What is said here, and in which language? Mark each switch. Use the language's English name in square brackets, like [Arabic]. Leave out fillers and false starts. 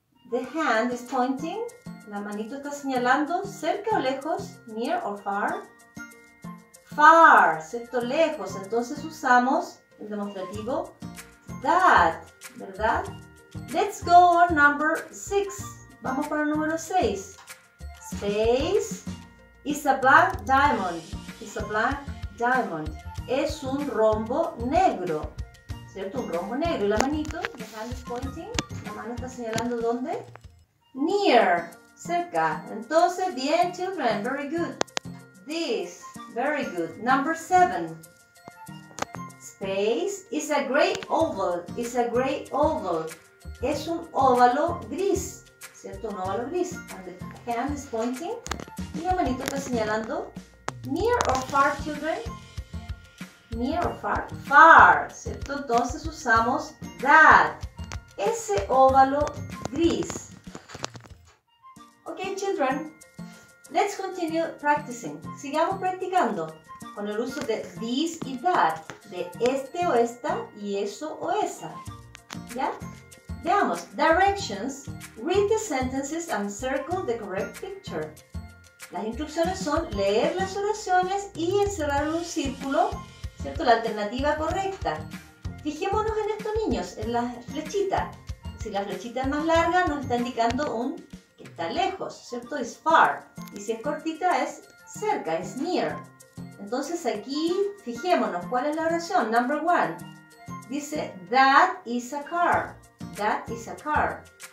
[English] The hand is pointing, [Spanish] la manito está señalando, ¿cerca o lejos? [English] Near or far? [Spanish] Far, ¿cierto? Lejos. Entonces usamos el demostrativo that, ¿verdad? [English] Let's go on number six. [Spanish] Vamos para el número 6. [English] Space is a black diamond. Is a black diamond. [Spanish] Es un rombo negro, ¿cierto? Un rombo negro. Y la manito, [English] the hand is pointing. [Spanish] La mano está señalando ¿dónde? [English] Near, cerca. [Spanish] Entonces, bien, [English] children, very good. This, very good. Number seven. Space is a great oval, is a great oval. [Spanish] Es un óvalo gris, ¿cierto? Un óvalo gris. [English] And the hand is pointing. [Spanish] Y la manito está señalando. [English] Near or far, children? Near or far? [Spanish] Far, ¿cierto? Entonces usamos that. Ese óvalo gris. [English] Okay, children. Let's continue practicing. [Spanish] Sigamos practicando. Con el uso de this y that, de este o esta y eso o esa, ¿ya? Veamos, [English] directions, read the sentences and circle the correct picture. [Spanish] Las instrucciones son leer las oraciones y encerrar un círculo, ¿cierto? La alternativa correcta. Fijémonos en esto, niños, en la flechita. Si la flechita es más larga, nos está indicando un que está lejos, ¿cierto? [English] Is far. [Spanish] Y si es cortita, es cerca, es near. Entonces aquí, fijémonos, ¿cuál es la oración? [English] Number one, [Spanish] dice, [English] that is a car, that is a car.